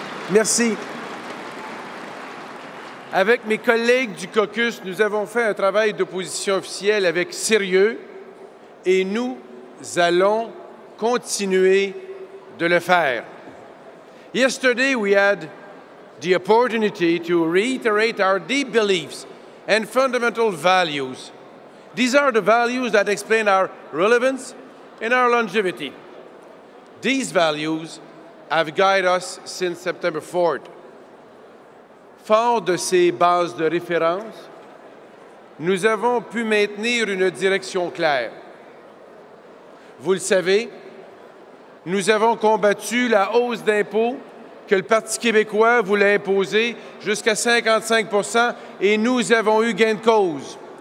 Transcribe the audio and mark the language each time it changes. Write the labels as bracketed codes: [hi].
[fr] Merci. Avec mes collègues du caucus, nous avons fait un travail d'opposition officielle avec sérieux et nous allons continuer de le faire. [en] Yesterday, we had the opportunity to reiterate our deep beliefs and fundamental values. These are the values that explain our relevance and our longevity. These values have guided us since September 4th. [fr] Fort de ces bases de référence, nous avons pu maintenir une direction claire. Vous le savez, nous avons combattu la hausse d'impôts que le Parti québécois voulait imposer jusqu'à 55 % et nous avons eu gain de cause.